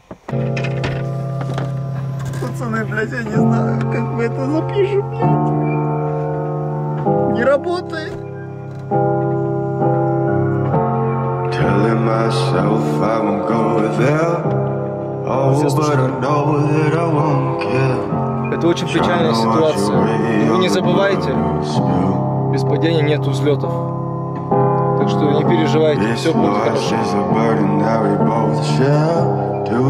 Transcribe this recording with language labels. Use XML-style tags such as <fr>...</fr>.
<ru>Пацаны, блядь, я не знаю, как мы это запишем, блядь. Не работает.</ru> <en>Telling myself I won't go there. Oh, but I know that I won't care.</en> <ru>Это очень печальная ситуация. И вы не забывайте, без падения нет взлетов. Так что не переживайте, все будет хорошо.</ru>